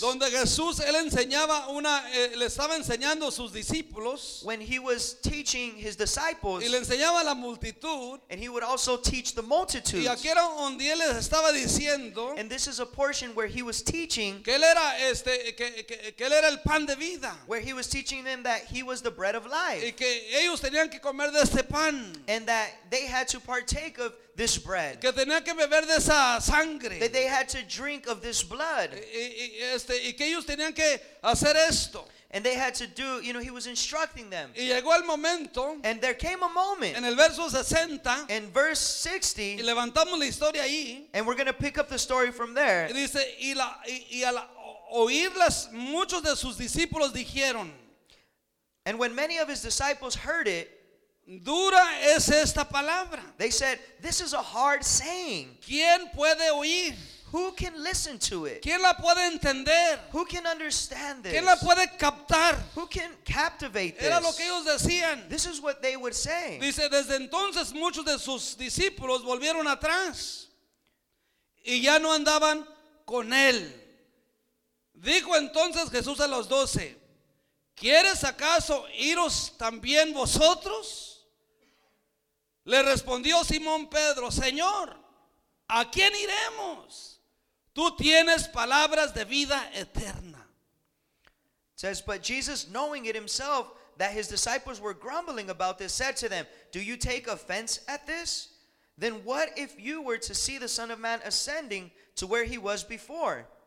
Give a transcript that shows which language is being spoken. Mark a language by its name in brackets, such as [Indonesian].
[Spanish] Donde Jesús, él enseñaba una, le estaba enseñando a sus discípulos. [English] When he was teaching his disciples. [Spanish] Y le enseñaba a la multitud. [English] And he would also teach the multitudes. [Spanish] Y aquí era donde él les estaba diciendo. [English] And this is a portion where he was teaching. [Spanish] Que él era que él era el pan de vida. [English] Where he was teaching them that he was the bread of life. [Spanish] Y que ellos tenían que comer de este pan. [English] And that they had to partake of this bread. [Spanish] Que tenía que beber de esa sangre. [English] That they had to drink of this blood. [Spanish] Y que ellos tenían que hacer esto. [English] And they had to do, you know, he was instructing them. [Spanish] Y llegó el momento. [English] And there came a moment. [Spanish] En el verso 60. [English] In verse 60. [Spanish] Y levantamos la historia ahí. [English] And we're going to pick up the story from there. [Spanish] Y dice, y al oírlas, muchos de sus discípulos dijeron. [English] And when many of his disciples heard it. [Spanish] Dura es esta palabra. [English] They said, this is a hard saying. [Spanish] ¿Quién puede oír? [English] Who can listen to it? [Spanish] ¿Quién la puede entender? [English] Who can understand this? [Spanish] ¿Quién la puede captar? [English] Who can captivate this? [Spanish] Era lo que ellos decían. [English] This is what they would say. [Spanish] Dice, desde entonces muchos de sus discípulos volvieron atrás y ya no andaban con él. Dijo entonces Jesús a los doce, ¿quieres acaso iros también vosotros? Le respondió Simón Pedro, Señor, ¿a quién iremos? Tú tienes palabras de vida eterna. [English] It says, but Jesus, knowing it himself, that his disciples were grumbling about this, said to them, do you take offense at this? Then what if you were to see the Son of Man ascending to where he was before?